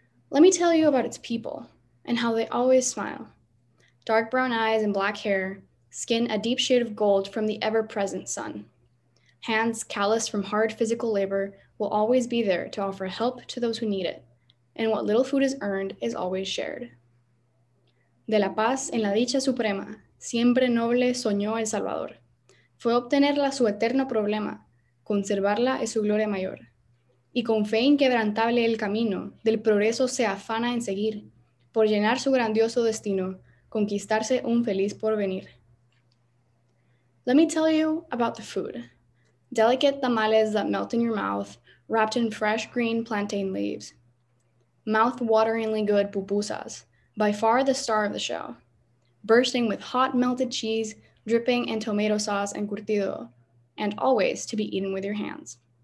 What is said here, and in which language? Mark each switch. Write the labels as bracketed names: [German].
[English] Let me tell you about its people and how they always smile. Dark brown eyes and black hair, skin a deep shade of gold from the ever-present sun. Hands calloused from hard physical labor will always be there to offer help to those who need it. And what little food is earned is always shared. [Spanish] De la paz en la dicha suprema, siempre noble soñó el Salvador. Fue obtenerla su eterno problema, conservarla es su gloria mayor. Y con fe inquebrantable el camino del progreso se afana en seguir, por llenar su grandioso destino, conquistarse un feliz porvenir. [English] Let me tell you about the food. Delicate tamales that melt in your mouth, wrapped in fresh green plantain leaves. Mouth-wateringly good pupusas, by far the star of the show, bursting with hot melted cheese, dripping in tomato sauce and curtido, and always to be eaten with your hands.